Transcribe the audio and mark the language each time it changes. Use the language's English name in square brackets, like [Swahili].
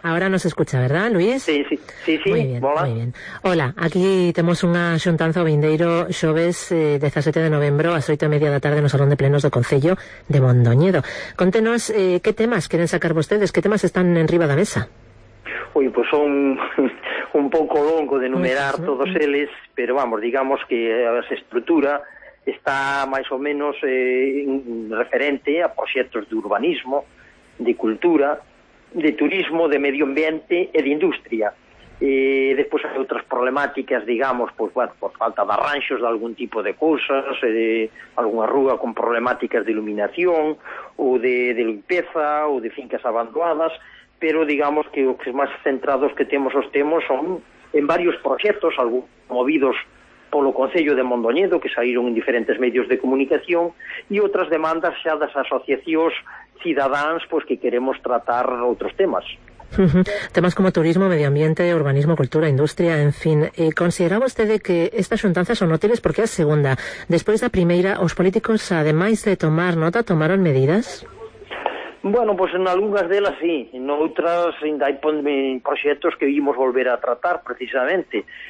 [Spanish] Ahora nos escucha, ¿verdad, Luis? Sí. Muy bien, hola. Muy bien. [Galician] Hola, aquí tenemos una xuntanza o vindeiro xoves 17 de novembro a 8:30 da tarde no salón de plenos do Concello de Mondoñedo. Contenos qué temas queren sacar vostedes, qué temas están en riba da mesa. Uy, pues son un pouco longo de enumerar todos eles, pero vamos, digamos que a esa estrutura está máis ou menos referente a proxectos de urbanismo, de cultura, de turismo, de medio ambiente e de industria. Despois hai outras problemáticas, digamos, pois, bueno, por falta de arranxos, de algún tipo de cousas, de alguna rúa con problemáticas de iluminación ou de limpeza ou de fincas abandonadas, pero digamos que os máis centrados que temos os temas son en varios proxectos, algún movidos polo Concello de Mondoñedo, que saíron en diferentes medios de comunicación, e outras demandas xa das asociacións cidadáns, pois que queremos tratar outros temas. Temas como turismo, medio ambiente, urbanismo, cultura, industria, en fin. ¿Considera vostede que estas xuntanzas son útiles? Porque a segunda, despois da primeira, os políticos, ademais de tomar nota, tomaron medidas? [Spanish] Bueno, pues en algunas de ellas sí, en otras hay proyectos que íbamos a volver a tratar precisamente.